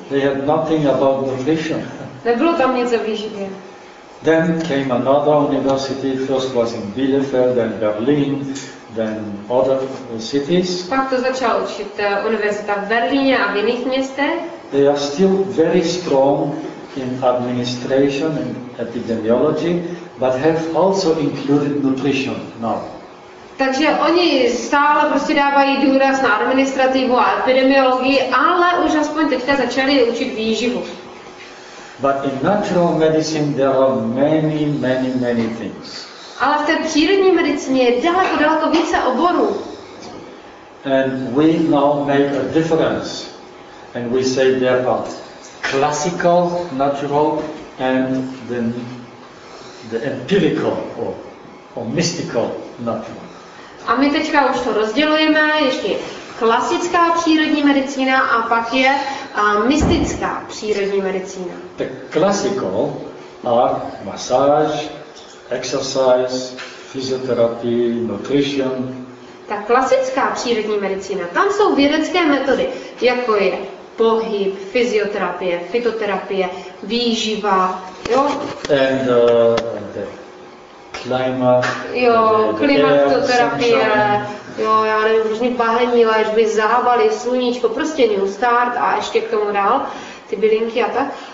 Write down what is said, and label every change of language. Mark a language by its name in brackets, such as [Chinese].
[English] They had nothing about nutrition. [Czech] Nebylo tam nic o výživě. [English] Then came another university, first was in Bielefeld and Berlin, then other cities. [Czech] Pak to začala učit univerzita v Berlíně a v jiných městech. [English] They are still very strong in administration and epidemiology, but have also included nutrition now. [Czech] Takže oni stále prostě dávají důraz na administrativu a epidemiologii, ale už aspoň teďka začali učit výživu. [English] But in natural medicine there are many, many, many things. [Czech] Ale v té přírodní medicíně je daleko, daleko více oborů. [English] And we now make a difference. And we say there are classical, natural and the empirical or mystical natural. [Czech] A my teďka už to rozdělujeme, ještě klasická přírodní medicína a pak je mystická přírodní medicína. [English] The classical are massage, exercise, physiotherapy, nutrition. [Czech] Ta klasická přírodní medicína, tam jsou vědecké metody, jako je pohyb, fyzioterapie, fytoterapie, výživa, jo? [English] And the climate, [Czech] jo, klimatoterapie, jo, já nevím, různý bahení, léčby, zábaly, sluníčko, prostě new start a ještě k tomu dál, ty bylinky a tak.